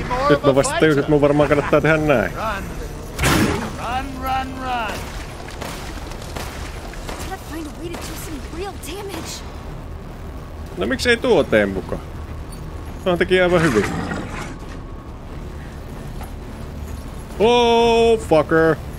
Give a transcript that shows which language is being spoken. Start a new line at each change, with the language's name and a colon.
Finnish: Nyt mä vasta tajusin, että mun varmaan kannattaa tehdä näin.
English: Run, run, run! I gotta find a way to do some real damage.
Finnish: No miksi ei tuo tee muka? Tämä on teki aivan hyvin.
English: Oh, fucker!